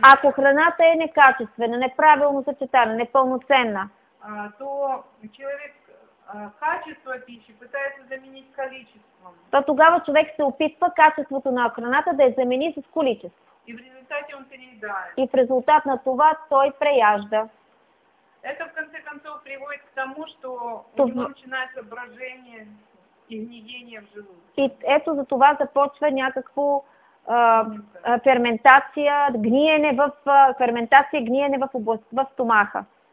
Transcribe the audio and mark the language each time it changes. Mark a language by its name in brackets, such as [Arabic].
[Bulgarian] Ако храната е некачествена, неправилно съчетана, непълноценна, [Russian] то человек качество пищи пытается заменить количеством. [Bulgarian] То тогава човек се опитва качеството на храната да я замени с количеством. [Russian] И в результате он переедает. [Bulgarian] И в результат на това той преяжда. [Russian] Это в конце концов приводит к тому, что у него начинается брожение и гниение в желудке. [Bulgarian] И [Russian] это [Bulgarian] за това започва някакво ферментация, гниене в ферментация, гниене в област в стомаха.